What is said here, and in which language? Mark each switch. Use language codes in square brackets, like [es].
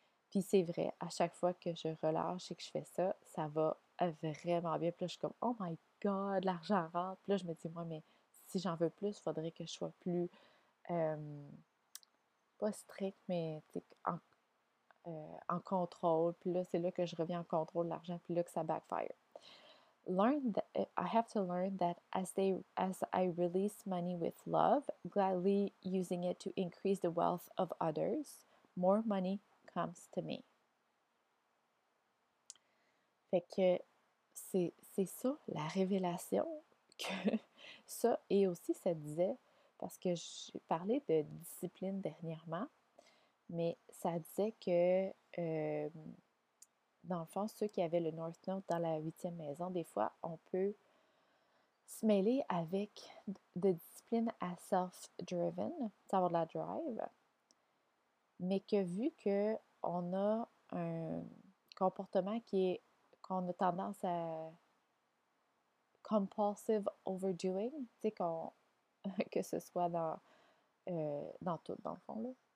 [fr] Puis c'est vrai, à chaque fois que je relâche et que je fais ça, ça va vraiment bien. Puis là, je suis comme, [en] oh my God, [fr] l'argent rentre. Puis là, je me dis, moi, mais si j'en veux plus, il faudrait que je sois plus, pas strict, mais en contrôle, puis là, c'est là que je reviens en contrôle de l'argent, puis là que ça backfire. [en] I have to learn that as I release money with love, gladly using it to increase the wealth of others, more money comes to me. [fr] Fait que c'est ça, la révélation que ça, et aussi ça disait, parce que j'ai parlé de discipline dernièrement. Mais ça disait que, dans le fond, ceux qui avaient le North Node dans la huitième maison, des fois, on peut se mêler avec de discipline à self-driven, savoir de la drive, mais que vu que on a un comportement qu'on a tendance à [en] compulsive overdoing, [fr] tu sais, que ce soit dans tout, dans le fond, là.